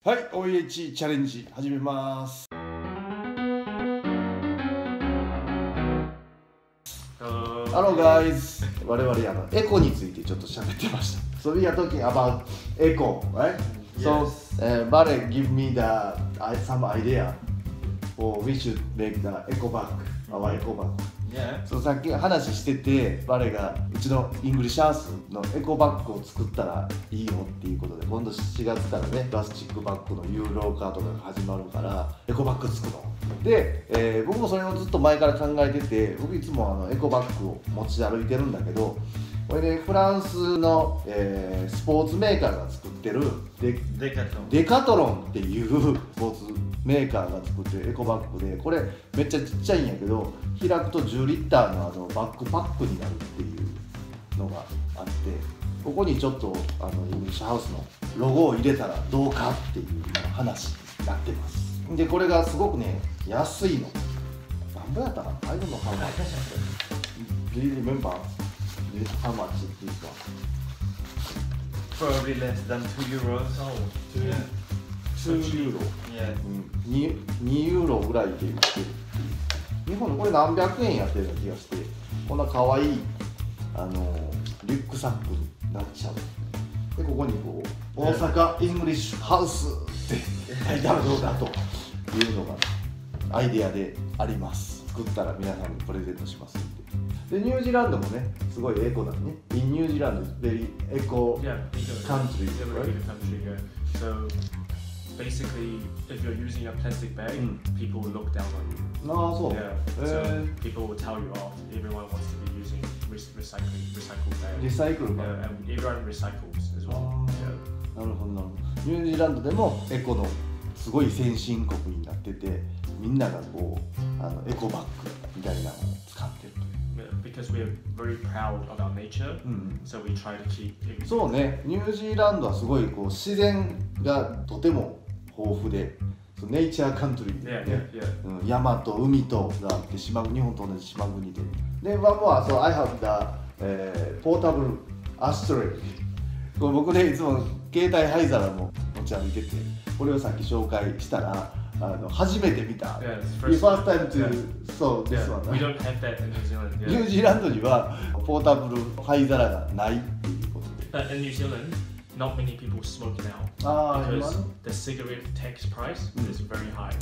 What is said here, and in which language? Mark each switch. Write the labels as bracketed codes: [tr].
[ja] はい、OH チャレンジ始めます。ハローガイズ。我々エコについてちょっと喋ってました。 [en] So we are talking about echo, right? Yes. So, Bare give me the, some idea for we should make the echo back, our echo back. Yeah. [ja] So さっき話してて、Bare がうちのイングリッシュハウスのエコバッグを作ったらいいよっていうことで、今度7月からね、プラスチックバッグの有料化とかが始まるから、エコバッグ作ろう。で、僕もそれをずっと前から考えてて、僕いつもあのエコバッグを持ち歩いてるんだけど、これね、フランスの、スポーツメーカーが作ってるデカトロンっていうスポーツメーカーが作ってるエコバッグで、これめっちゃちっちゃいんやけど、開くと10リッターの、 あのバックパックになるっていうのがあって、ここにちょっとあのイングリッシュハウスのロゴを入れたらどうかっていう話になってます。で、これがすごくね、安いの。何本やったかな、 [en] I don't know how much. Do you remember this? How much is this one? Probably less than 2 euros. Oh, 2 euros. 2 euros. Yeah. [ja] 2 euros ぐらいで売ってる。日本のこれ何百円やってる気がして、こんな可愛いあのリュックサックになっちゃう。で、ここにこう、大阪イングリッシュハウスって書いてあるのかというのがアイデアであります。作ったら皆さんにプレゼントしますんで。で、ニュージーランドもね、すごいエコだね。 [en] In New Zealand is very eco country, right? Yeah, very eco country, yeah. So basically, if you're using a plastic bag, people will look down on you. [ja] ああ、そう。 [en] Yeah, so people will tell you off. Everyone wants to be using recycled bag. Recycle bag? Yeah, and everyone recycles as well. [ja] なるほど、なるほど。ニュージーランドでもエコのすごい先進国になってて、みんながこうあのエコバッグみたいなのを使ってると。 [en] Because we are very proud of our nature, so we try to keep it. [ja] そうね、ニュージーランドはすごいこう自然がとても豊富で、そう、ネイチャーカントリーで、ね、山と海とがあって、島国、日本と同じ島国で。で、ワンモア、そう、 [en] I have the、 [ja] ポータブルアストレイ。これ僕ね、いつも携帯灰皿も持ち歩いてて、これをさっき紹介したら、あの初めて見た。 [en] Yeah, first time to [ja] そうですわね。 [en] We don't have that in New Zealand. [ja] ニュージーランドにはポータブル灰皿がないっていうことで。 [en] But in New Zealand, not many people smoke now. Because the cigarette tax price is very high.